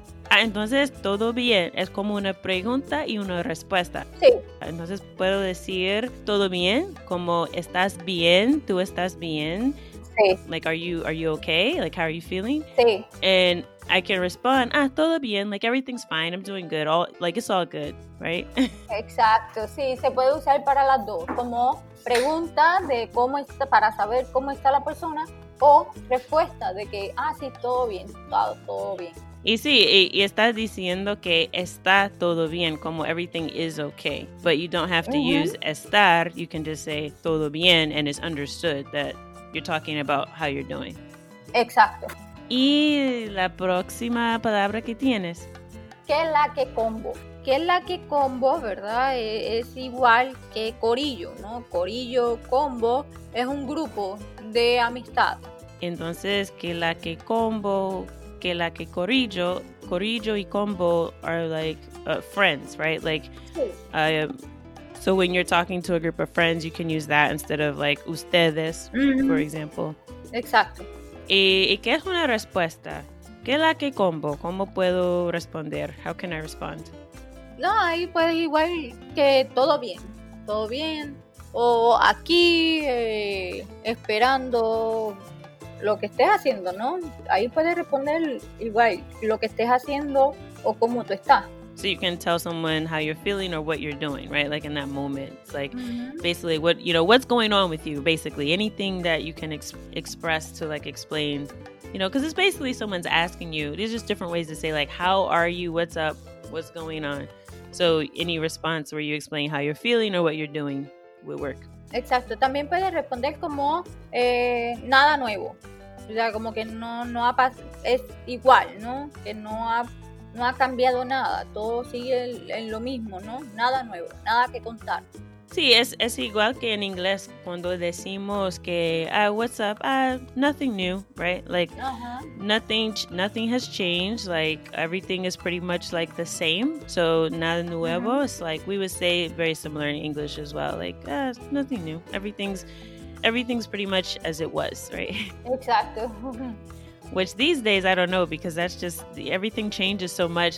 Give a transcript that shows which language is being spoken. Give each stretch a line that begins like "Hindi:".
Spanish: Ah, entonces todo bien es como una pregunta y una respuesta. Sí. Entonces puedo decir todo bien, como estás bien, tú estás bien. Sí.
English: Like, are you okay? Like, how are you feeling?
Spanish: Sí.
English: And I can respond, ah,
Spanish: todo bien,
English: like everything's fine, I'm doing good, all like it's all good, right?
Spanish: Exacto, sí, se puede usar para las dos, como pregunta de cómo está, para saber cómo está la persona. O respuesta de que, ah, sí, todo bien, todo bien. Y sí, y estás diciendo que está todo bien, como
English: everything is okay. But you don't have to use estar, you can just say
Spanish: todo bien,
English: and it's understood that you're talking about how you're doing.
Spanish: Exacto. ¿Y la próxima palabra que tienes? Que es la que combo. Que es la que combo, ¿verdad? Es igual que corillo, ¿no? Corillo, combo, es un grupo de amistad. Entonces, que la que combo, que la que corillo, corillo y combo
English: are like friends, right? Like,
Spanish: sí.
English: So when you're talking to a group of friends, you can use that instead of like ustedes, for example.
Spanish: Exacto. ¿Y qué es una respuesta? ¿Qué la que combo? ¿Cómo puedo responder?
English: How can I respond?
Spanish: No, ahí puede igual que todo bien. Todo bien. O aquí, esperando lo que estés haciendo, ¿no? Ahí puedes responder igual lo que estés haciendo o cómo tú estás.
English: So you can tell someone how you're feeling or what you're doing, right? Like in that moment. It's like basically what, you know, what's going on with you, basically. Anything that you can express to like explain, you know, because it's basically someone's asking you. There's just different ways to say like, how are you? What's up? What's going on? So any response where you explain how you're feeling or what you're doing will work.
Spanish: Exacto. También puedes responder como nada nuevo. O sea, como que no ha pasado. Es igual, ¿no? Que no ha cambiado nada. Todo sigue en lo mismo, ¿no? Nada nuevo. Nada que contar. Sí, es igual que en inglés cuando decimos que,
English: what's up? Nothing new, right? Like, nothing has changed. Like, everything is pretty much like the same. So,
Spanish: nada nuevo.
English: Mm-hmm. It's like, we would say very similar in English as well. Like, nothing new. Everything's pretty much as it was, right?
Spanish: Exacto.
English: Which these days, I don't know, because that's just, everything changes so much.